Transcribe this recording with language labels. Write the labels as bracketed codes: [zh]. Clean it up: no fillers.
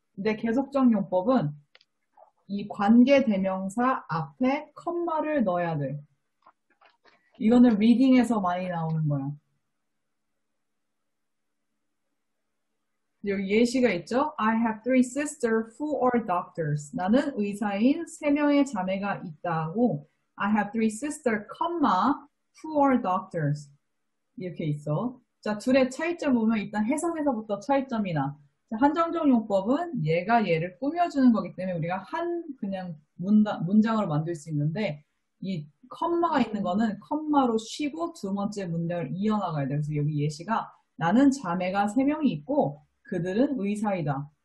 [ko] 근데 계속적 용법은 이 관계대명사 앞에 컴마를 넣어야 돼. 이거는 리딩에서 많이 나오는 거야. 여기 예시가 있죠? [en] I have three sisters who are doctors. [ko] 나는 의사인 세 명의 자매가 있다고. [en] I have three sisters, comma, who are doctors. [ko] 이렇게 있어. 자, 둘의 차이점 보면 일단 해석에서부터 차이점이 나. 한정적 용법은 얘가 얘를 꾸며주는 거기 때문에 우리가 그냥 문장으로 만들 수 있는데 이 컴마가 있는 거는 컴마로 쉬고 두 번째 문장을 이어나가야 돼. 그래서 여기 예시가 나는 자매가 세 명이 있고 그들은 의사이다.